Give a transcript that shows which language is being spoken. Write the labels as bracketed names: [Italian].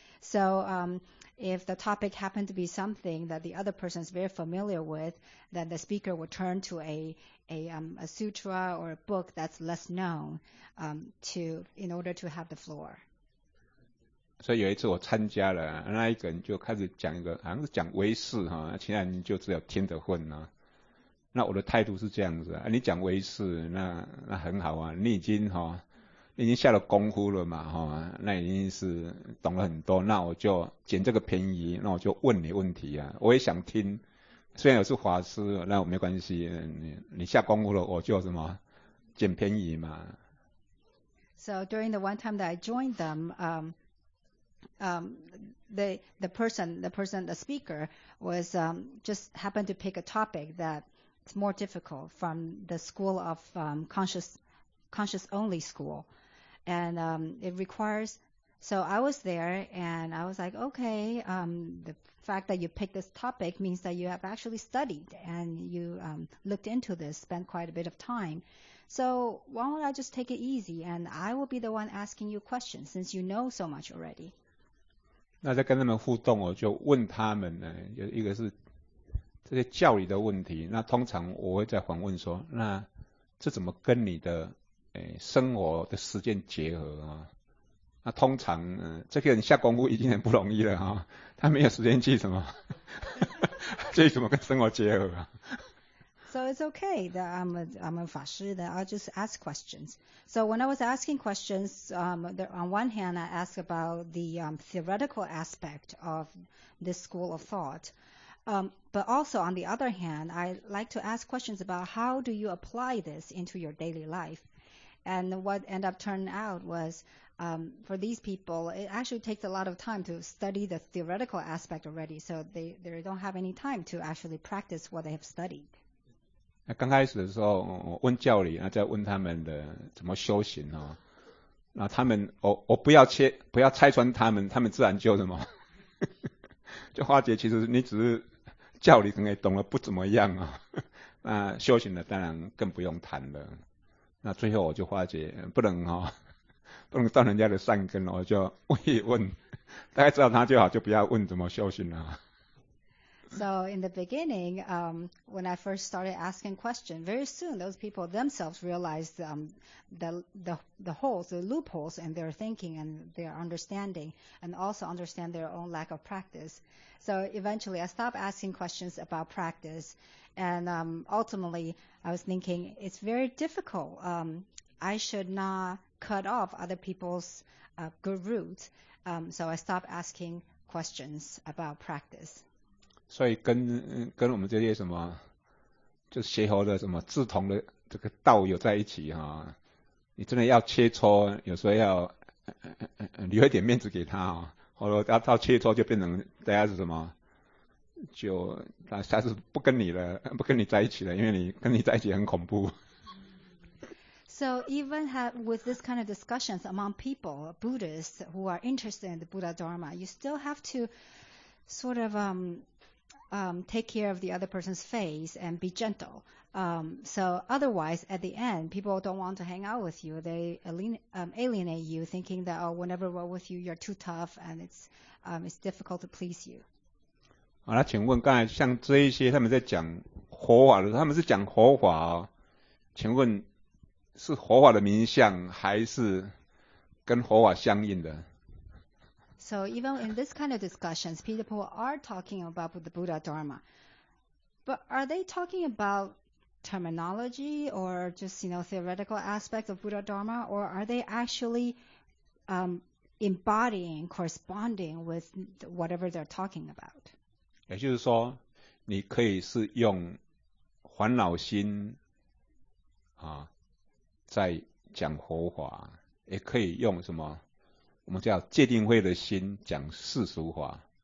[English] So if the topic happened to be something that the other person is very familiar with, then the speaker would turn to a sutra or a book that's less known in order to have the floor. [Chinese] 所以有一次我参加了，那一个人就开始讲一个，好像是讲唯识哈，其他人就只有听得混呢。那我的态度是这样子啊，你讲唯识，那很好啊，你已经哈。已经下了功夫了嘛、哦、那已经是懂了很多，那我就捡这个便宜，那我就问你问题啊，我也想听，虽然我是法师，那我没关系， 你下功夫了我就什么捡便宜嘛。 [English] So during the one time that I joined them the speaker was just happened to pick a topic that's more difficult from the school of conscious only schoolAnd it requires, so I was there and I was like, okay, the fact that you picked this topic means that you have actually studied and you looked into this, spent quite a bit of time. So why don't I just take it easy and I will be the one asking you questions since you know so much already. [Chinese] 那在跟他们互动，我就问他们呢，有一个是这些教理的问题，那通常我会再反问说，那这怎么跟你的生活的实践结合、啊、那通常、这个人下功夫已经很不容易了、啊、他没有时间去什么去怎么跟生活结合、啊、 [English] So it's okay that I'm a 法师 that I'll just ask questions. So when I was asking questions on one hand I asked about the theoretical aspect of this school of thoughtBut also on the other hand I like to ask questions about how do you apply this into your daily lifeAnd what ended up turning out was, for these people, it actually takes a lot of time to study the theoretical aspect already, so they don't have any time to actually practice what they have studied. [Chinese] 那刚开始的时候，我问教理，然后再问他们的怎么修行哦，然后他们，我不要拆穿他们，他们自然就什么，就化解。其实你只是教理可能懂得不怎么样啊，那修行的当然更不用谈了。那最后我就化解，不能哈、哦，不能断人家的善根，我就问一问，大概知道他就好，就不要问怎么修行了。 [English] So in the beginning, when I first started asking questions, very soon those people themselves realized the holes, the loopholes in their thinking and their understanding, and also understand their own lack of practice. So eventually, I stopped asking questions about practice, and ultimately, I was thinking it's very difficult. I should not cut off other people's good roots. So I stopped asking questions about practice. [Chinese] 所以跟我们这些什么就是协和的什么志同的这个道友在一起哈、啊、你真的要切磋，有时候要留一点面子给他哈、啊、或者要到切磋就变成大家是什么，就他下次不跟你了，不跟你在一起了，因为你跟你在一起很恐怖。 [English] So even with this kind of discussions among people, Buddhists who are interested in the Buddha Dharma, you still have to sort of take care of the other person's face and be gentle. So otherwise, at the end, people don't want to hang out with you. They alienate you, thinking that, oh, whenever we're with you, you're too tough and it's difficult to please you. [Chinese] 好，那请问刚才像这一些他们在讲活法的时候，他们是讲活法哦，请问是活法的名相还是跟活法相应的？ [English] So even in this kind of discussions, people are talking about the Buddha Dharma. But are they talking about terminology or just, you know, theoretical aspects of Buddha Dharma? Or are they actually embodying, corresponding with whatever they're talking about? [Chinese] 也就是说，你可以是用烦恼心啊，在讲佛法，也可以用什么我们叫戒定慧的心讲世俗法。